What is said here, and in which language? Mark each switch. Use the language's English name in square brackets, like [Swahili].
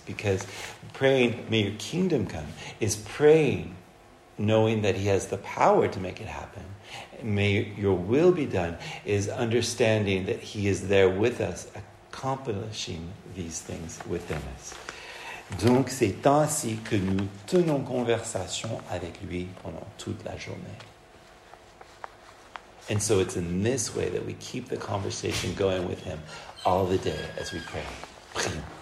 [English] Because praying, may your kingdom come, is praying knowing that He has the power to make it happen. May your will be done is understanding that He is there with us, accomplishing these things within us. [French] Donc, c'est ainsi que nous tenons conversation avec lui pendant toute la journée. [English] And so it's in this way that we keep the conversation going with him all the day as we pray. [French] Prions.